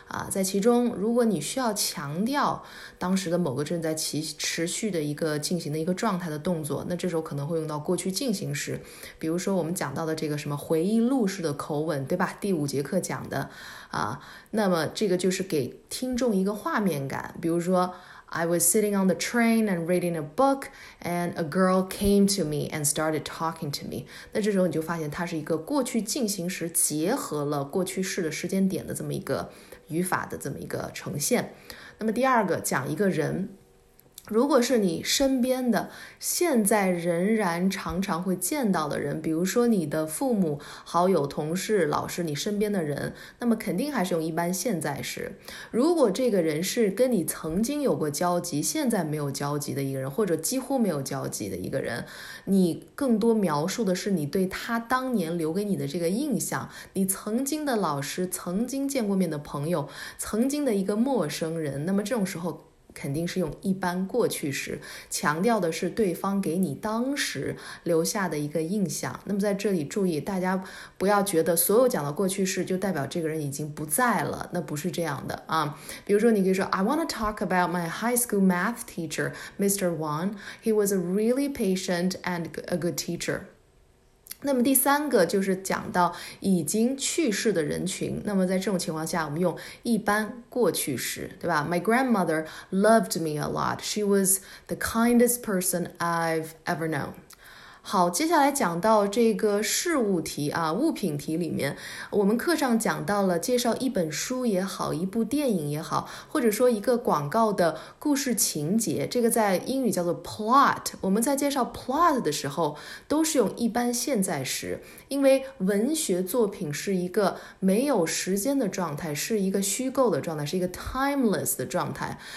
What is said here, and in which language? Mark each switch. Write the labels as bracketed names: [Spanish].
[Chinese] 在其中，如果你需要强调当时的某个正在持续的一个进行的一个状态的动作，那这时候可能会用到过去进行时。比如说我们讲到的这个什么回忆录式的口吻，对吧？第五节课讲的啊，那么这个就是给听众一个画面感。 [English] 比如说，I was sitting on the train and reading a book, and a girl came to me and started talking to me。 [Chinese] 那这时候你就发现它是一个过去进行时结合了过去式的时间点的这么一个语法的这么一个呈现。那么第二个讲一个人，如果是你身边的现在仍然常常会见到的人，比如说你的父母、好友、同事、老师，你身边的人，那么肯定还是用一般现在时。如果这个人是跟你曾经有过交集，现在没有交集的一个人，或者几乎没有交集的一个人，你更多描述的是你对他当年留给你的这个印象，你曾经的老师、曾经见过面的朋友、曾经的一个陌生人，那么这种时候肯定是用一般过去时，强调的是对方给你当时留下的一个印象。那么在这里注意，大家不要觉得所有讲的过去式就代表这个人已经不在了，那不是这样的啊。 [English] 比如说，你可以说，I want to talk about my high school math teacher, Mr. Wang. He was a really patient and a good teacher. [Chinese] 那么第三个就是讲到已经去世的人群，那么在这种情况下我们用一般过去时，对吧？ [English] My grandmother loved me a lot. She was the kindest person I've ever known. [Chinese] 好，接下来讲到这个事物题啊，物品题里面，我们课上讲到了介绍一本书也好，一部电影也好，或者说一个广告的故事情节，这个在英语叫做 plot。我们在介绍 plot 的时候都是用一般现在时，因为文学作品是一个没有时间的状态，是一个虚构的状态，是一个 timeless 的状态。